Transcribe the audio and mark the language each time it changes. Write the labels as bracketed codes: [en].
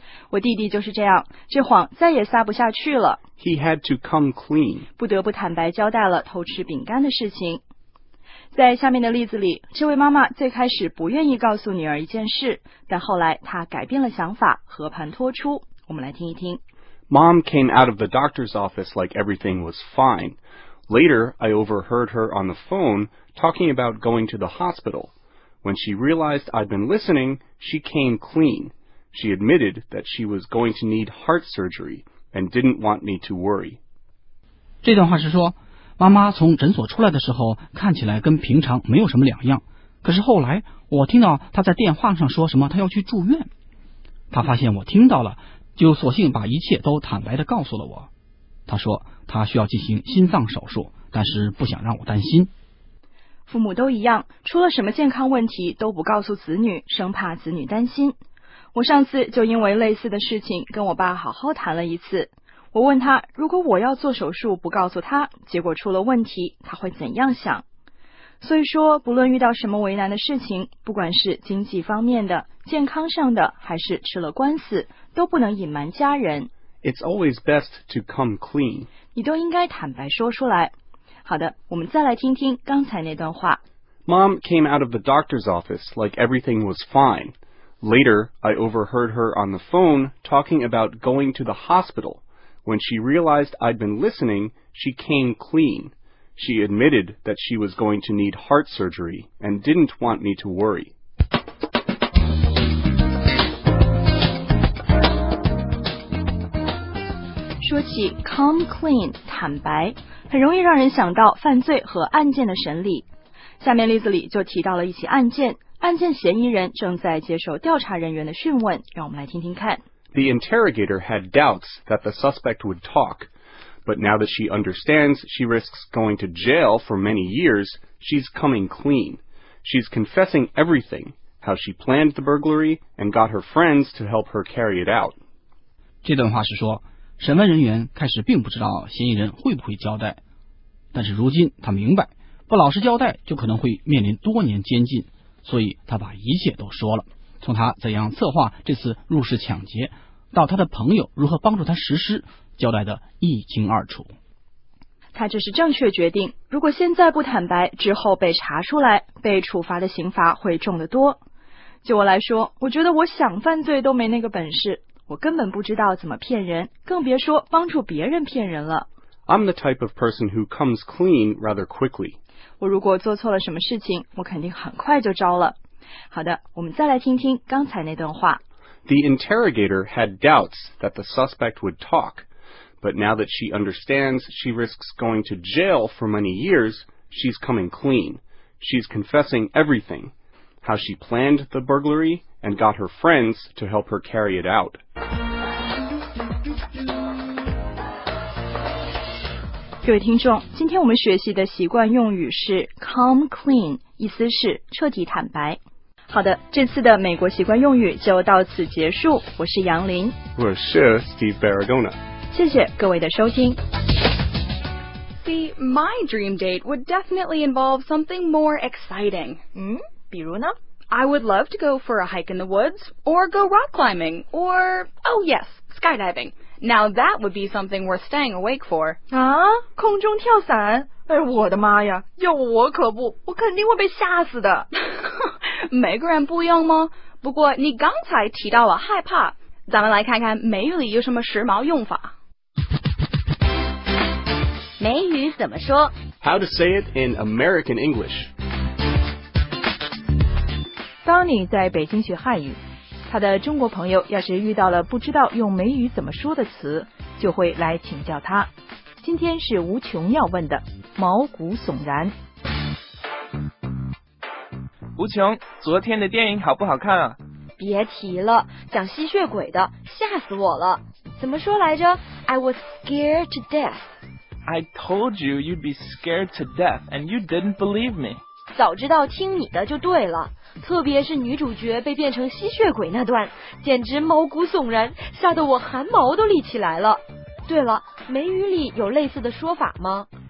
[zh] 我弟弟就是这样，这谎再也撒不下去了。 [en] He had to come clean. [zh] 不得不坦白交代了偷吃饼干的事情。在下面的例子里，这位妈妈最开始不愿意告诉女儿一件事，但后来她改变了想法，和盘托出。我们来听一听。 [en] Mom came out of the doctor's office like everything was fine. Later, I overheard her on the phone talking about going to the hospital. When she realized I'd been listening, she came clean. She admitted that she was going to need heart surgery and didn't want me to worry. [zh] 这段话是说妈妈从诊所出来的时候看起来跟平常没有什么两样，可是后来我听到她在电话上说什么她要去住院，她发现我听到了，就索性把一切都坦白地告诉了我。她说她需要进行心脏手术，但是不想让我担心。父母都一样，出了什么健康问题都不告诉子女，生怕子女担心。我上次就因为类似的事情跟我爸好好谈了一次，我问他如果我要做手术不告诉他，结果出了问题，他会怎样想。所以说不论遇到什么为难的事情，不管是经济方面的、健康上的，还是吃了官司，都不能隐瞒家人。 [en] It's always best to come clean. [zh] 你都应该坦白说出来。好的，我们再来听听刚才那段话。 [en] Mom came out of the doctor's office like everything was fine. Later, I overheard her on the phone talking about going to the hospital. When she realized I'd been listening, she came clean. She admitted that she was going to need heart surgery and didn't want me to worry. [zh] 说起 come clean, 坦白，很容易让人想到犯罪和案件的审理。下面例子里就提到了一起案件，案件嫌疑人正在接受调查人员的讯问，让我们来听听看。 [en] The interrogator had doubts that the suspect would talk, but now that she understands she risks going to jail for many years, she's coming clean. She's confessing everything, how she planned the burglary and got her friends to help her carry it out. [zh] 这段话是说，审问人员开始并不知道嫌疑人会不会交代，但是如今他明白，不老实交代就可能会面临多年监禁，所以他把一切都说了。从他怎样策划这次入室抢劫，到他的朋友如何帮助他实施，交代的一清二楚。他这是正确决定，如果现在不坦白，之后被查出来，被处罚的刑罚会重得多。就我来说，我觉得我想犯罪都没那个本事，我根本不知道怎么骗人，更别说帮助别人骗人了。 [en] I'm the type of person who comes clean rather quickly. [zh] 我如果做错了什么事情，我肯定很快就招了。好的，我们再来听听刚才那段话。 [en] The interrogator had doubts that the suspect would talk, but now that she understands she risks going to jail for many years, she's coming clean. She's confessing everything, how she planned the burglary and got her friends to help her carry it out. [zh] 各位听众，今天我们学习的习惯用语是 come clean, 意思是彻底坦白。好的，这次的美国习惯用语就到此结束。我是杨林，我是 Steve Barragona。谢谢各位的收听。 [en] See, my dream date would definitely involve something more exciting. [zh] 比如呢？ [en] I would love to go for a hike in the woods, or go rock climbing, or, oh yes, skydiving. Now that would be something worth staying awake for. [zh] 啊，空中跳伞？哎，我的妈呀，要我可不，我肯定会被吓死的。每个人不一样吗？不过你刚才提到了害怕，咱们来看看美语里有什么时髦用法。美语怎么说？ [en] How to say it in American English. [zh] 当你在北京学汉语，他的中国朋友要是遇到了不知道用美语怎么说的词，就会来请教他。今天是吴琼要问的，毛骨悚然。吴琼，昨天的电影好不好看啊？别提了，讲吸血鬼的，吓死我了。怎么说来着？ [en] I was scared to death. I told you you'd be scared to death and you didn't believe me. [zh] 早知道听你的就对了，特别是女主角被变成吸血鬼那段，简直毛骨悚然，吓得我汗毛都立起来了。对了，美语里有类似的说法吗？